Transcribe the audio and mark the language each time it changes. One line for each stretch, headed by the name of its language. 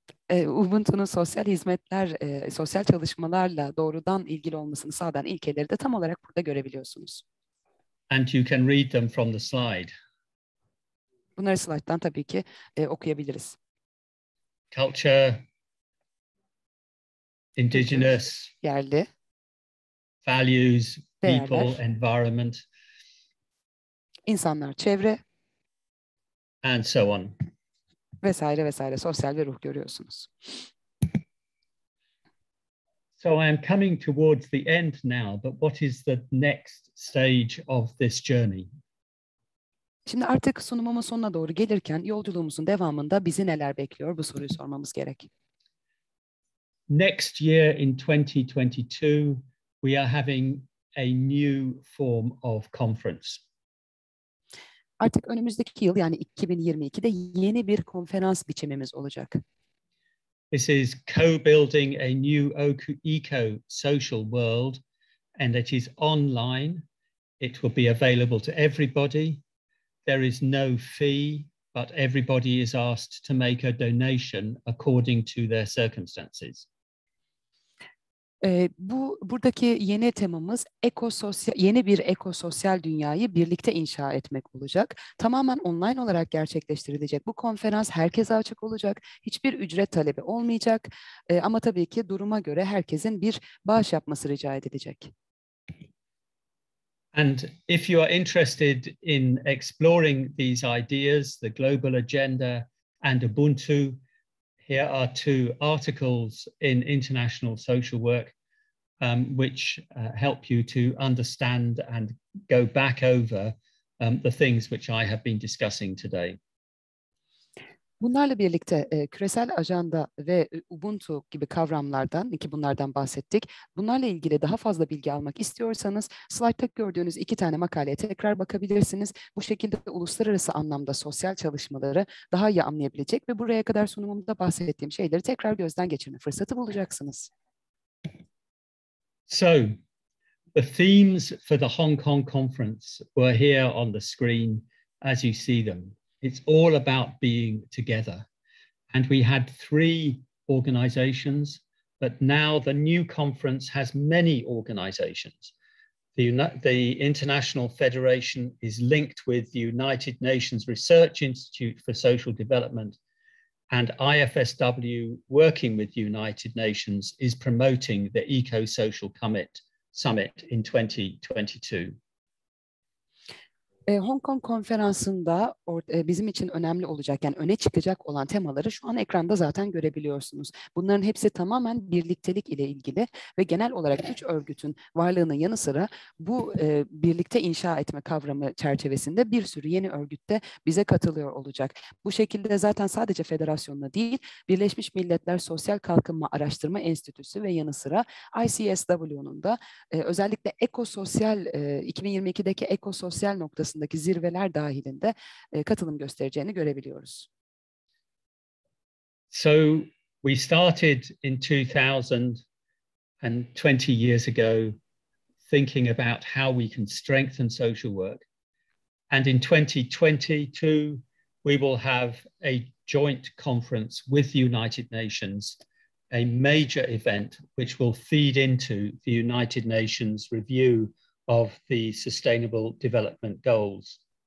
Turkish: Ubuntu'nun sosyal hizmetler, sosyal çalışmalarla doğrudan ilgili olmasını sağlayan ilkeleri de tam olarak burada görebiliyorsunuz.
English: And you can read them from the slide.
Turkish: Bunları slide'dan tabii ki okuyabiliriz.
English: Culture, indigenous,
Turkish: yerli,
English: values, people, environment,
Turkish: insanlar, çevre,
English: and so on.
Turkish: Vesaire vesaire, sosyal ve ruh görüyorsunuz.
English: So I am coming towards the end now, but what is the next stage of this journey?
Turkish: Şimdi artık sunumumun sonuna doğru gelirken yolculuğumuzun devamında bizi neler bekliyor, bu soruyu sormamız gerek.
English: Next year in 2022 we are having a new form of conference.
Turkish: Artık önümüzdeki yıl, yani 2022'de yeni bir konferans biçimimiz olacak.
English: This is co-building a new eco-social world, and it is online. It will be available to everybody. There is no fee, but everybody is asked to make a donation according to their circumstances.
Turkish: Buradaki yeni temamız yeni bir ekososyal dünyayı birlikte inşa etmek olacak. Tamamen online olarak gerçekleştirilecek bu konferans, herkese açık olacak. Hiçbir ücret talebi olmayacak. Ama tabii ki duruma göre herkesin bir bağış yapması rica edilecek.
English: And if you are interested in exploring these ideas, the global agenda and Ubuntu, here are two articles in International Social Work which help you to understand and go back over the things which I have been discussing today.
Turkish: Bunlarla birlikte küresel ajanda ve Ubuntu gibi kavramlardan, ki bunlardan bahsettik. Bunlarla ilgili daha fazla bilgi almak istiyorsanız slide'da gördüğünüz iki tane makaleye tekrar bakabilirsiniz. Bu şekilde uluslararası anlamda sosyal çalışmaları daha iyi anlayabilecek ve buraya kadar sunumumda bahsettiğim şeyleri tekrar gözden geçirme fırsatı bulacaksınız.
English: So, the themes for the Hong Kong conference were here on the screen as you see them. It's all about being together. And we had three organizations, but now the new conference has many organizations. The International Federation is linked with the United Nations Research Institute for Social Development, and IFSW, working with United Nations, is promoting the Eco-Social summit in 2022.
Turkish: Hong Kong konferansında bizim için önemli olacak, yani öne çıkacak olan temaları şu an ekranda zaten görebiliyorsunuz. Bunların hepsi tamamen birliktelik ile ilgili ve genel olarak üç örgütün varlığının yanı sıra bu birlikte inşa etme kavramı çerçevesinde bir sürü yeni örgüt de bize katılıyor olacak. Bu şekilde zaten sadece federasyonla değil, Birleşmiş Milletler Sosyal Kalkınma Araştırma Enstitüsü ve yanı sıra ICSW'nun da özellikle ekososyal 2022'deki ekososyal noktasındaki zirveler dahilinde katılım göstereceğini görebiliyoruz.
English: So we started in 2020 years ago thinking about how we can strengthen social work, and in 2022 we will have a joint conference with the United Nations, a major event which will feed into the United Nations review of the Sustainable Development Goals.